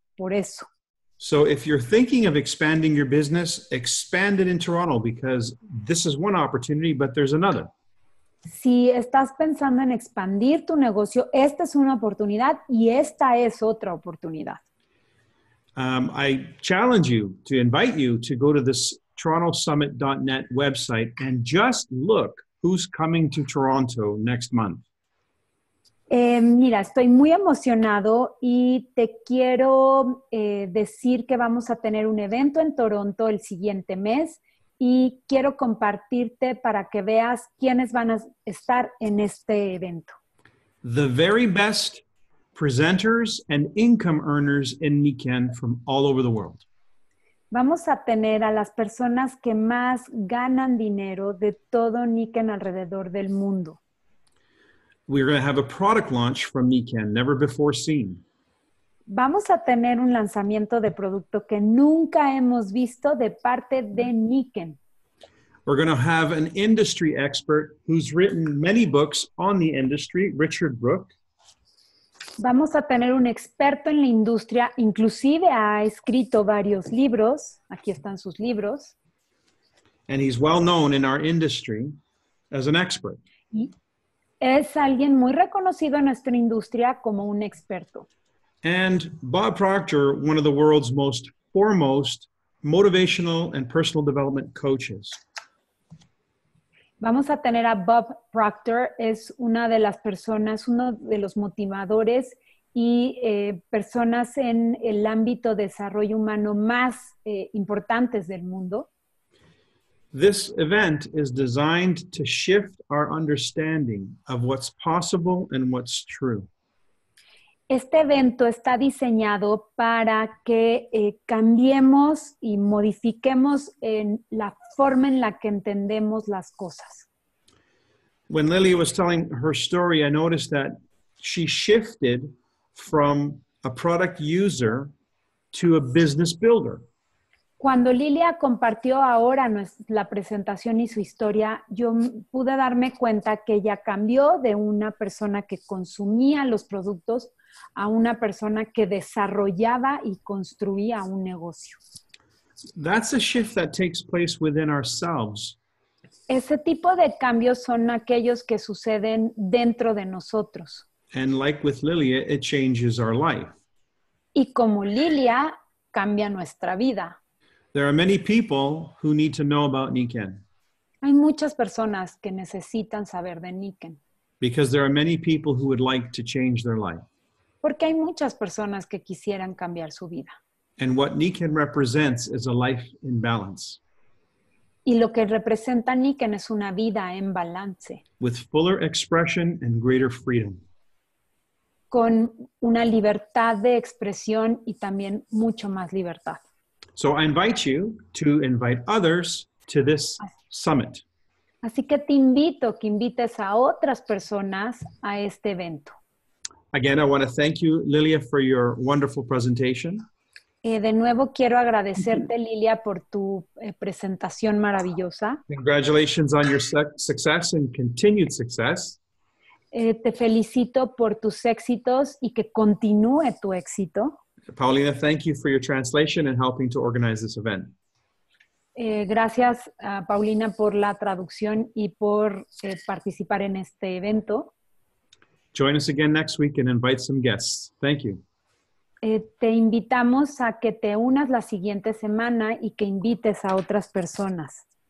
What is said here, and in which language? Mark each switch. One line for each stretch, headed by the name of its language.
Spanish: Por eso.
English: So if you're thinking of expanding your business, expand it in Toronto because this is one opportunity, but there's another.
Spanish: Si estás pensando en expandir tu negocio, esta es una oportunidad y esta es otra oportunidad.
English: I challenge you to invite you to go to this TorontoSummit.net website and just look who's coming to Toronto next month.
Spanish: Mira, estoy muy emocionado y te quiero decir que vamos a tener un evento en Toronto el siguiente mes y quiero compartirte para que veas quiénes van a estar en este evento.
English: The very best presenters and income earners in Nikken from all over the world.
Spanish: Vamos a tener a las personas que más ganan dinero de todo Nikken alrededor del mundo.
English: We're going to have a product launch from Nikken, never before seen.
Spanish: Vamos a tener un lanzamiento de producto que nunca hemos visto de parte de Nikken.
English: We're going to have an industry expert who's written many books on the industry, Richard Brook.
Spanish: Vamos a tener un experto en la industria, inclusive ha escrito varios libros. Aquí están sus libros.
English: And he's well known in our industry as an expert.
Spanish: Y es alguien muy reconocido en nuestra industria como un experto.
English: And Bob Proctor, one of the world's most foremost motivational and personal development coaches.
Spanish: Vamos a tener a Bob Proctor, es una de las personas, uno de los motivadores y personas en el ámbito de desarrollo humano más importantes del mundo.
English: This event is designed to shift our understanding of what's possible and what's true.
Spanish: Este evento está diseñado para que cambiemos y modifiquemos en la forma en la que entendemos las cosas.
English: When Lily was telling her story, I noticed that she shifted from a product user to a business builder.
Spanish: Cuando Lilia compartió ahora la presentación y su historia, yo pude darme cuenta que ella cambió de una persona que consumía los productos a una persona que desarrollaba y construía un negocio.
English: That's a shift that takes place within ourselves.
Spanish: Ese tipo de cambios son aquellos que suceden dentro de nosotros.
English: And like with Lilia, it changes our life.
Spanish: Y como Lilia, cambia nuestra vida.
English: There are many people who need to know about Niken.
Spanish: Hay muchas personas que necesitan saber de Niken.
English: Because there are many people who would like to change their life.
Spanish: Porque hay muchas personas que quisieran cambiar su vida.
English: And what Niken represents is a life in balance.
Spanish: Y lo que representa Niken es una vida en balance.
English: With fuller expression and greater freedom.
Spanish: Con una libertad de expresión y también mucho más libertad.
English: So I invite you to invite others to this summit.
Spanish: Así que te invito que invites a otras personas a este evento.
English: Again, I want to thank you, Lilia, for your wonderful presentation.
Spanish: De nuevo quiero agradecerte, Lilia, por tu presentación maravillosa.
English: Congratulations on your success and continued success.
Spanish: Te felicito por tus éxitos y que continúe tu éxito.
English: Paulina, thank you for your translation and helping to organize this event.
Spanish: Gracias, Paulina, por la traducción y por participar en este evento.
English: Join us again next week and invite some guests. Thank you.
Spanish: Te invitamos a que te unas la siguiente semana y que invites a otras personas.